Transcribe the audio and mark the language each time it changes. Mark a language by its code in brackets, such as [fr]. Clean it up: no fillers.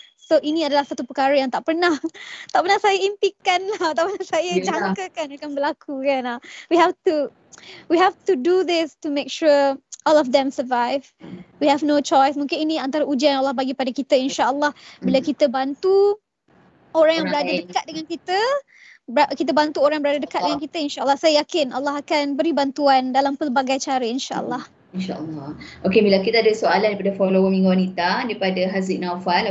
[ms] So ini adalah satu perkara yang tak pernah saya impikan lah, tak pernah saya jangkakan akan berlaku kan. [en] We have to do this to make sure all of them survive. We have no choice. [ms] Mungkin ini antara ujian yang Allah bagi pada kita, insyaAllah. Bila kita bantu orang yang berada dekat dengan kita, kita bantu orang yang berada dekat dengan kita, insyaAllah saya yakin Allah akan beri bantuan dalam pelbagai cara, insyaAllah. InsyaAllah. Okey, Mila, kita ada soalan daripada follower Minggu Wanita daripada Haziq Naufal.